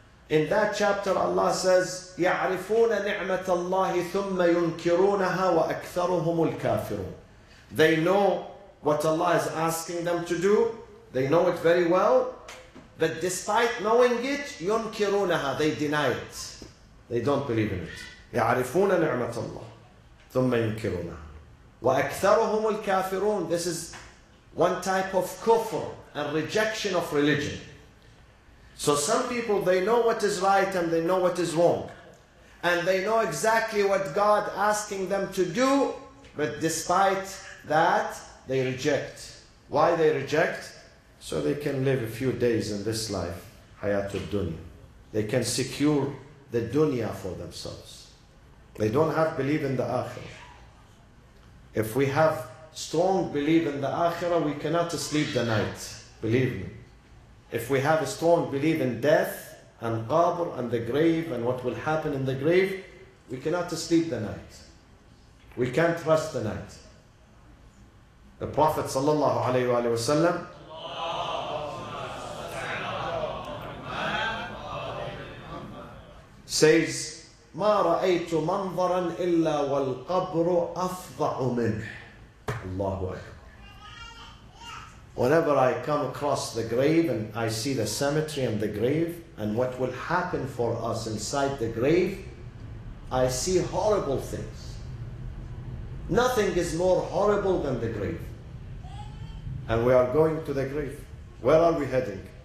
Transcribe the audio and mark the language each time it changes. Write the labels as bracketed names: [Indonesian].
[English] In that chapter Allah says, [Arabic] يَعْرِفُونَ نِعْمَةَ اللَّهِ ثُمَّ يُنْكِرُونَهَا وَأَكْثَرُهُمُ الْكَافِرُونَ. [English] They know what Allah is asking them to do, they know it very well, but despite knowing it, yunkirunaha, they deny it. They don't believe in it. [Arabic] يَعْرِفُونَ نِعْمَةَ اللَّهِ ثُمَّ يُنْكِرُونَهَا وَأَكْثَرُهُمُ الْكَافِرُونَ. [English] This is one type of kufr and rejection of religion. So some people, they know what is right and they know what is wrong. And they know exactly what God asking them to do, but despite that, they reject. Why they reject? So they can live a few days in this life, hayatul dunya. They can secure the dunya for themselves. They don't have belief in the akhirah. If we have strong belief in the akhirah, we cannot sleep the night. Believe me. If we have a strong belief in death and qabr and the grave and what will happen in the grave, we cannot sleep the night. We can't trust the night. The Prophet [Arabic] sallallahu alaihi wasallam, says, ما رأيت منظرا إلا والقبر أفضع منه. الله أكبر. [English] Whenever I come across the grave and I see the cemetery and the grave and what will happen for us inside the grave, I see horrible things. Nothing is more horrible than the grave. And we are going to the grave. Where are we heading?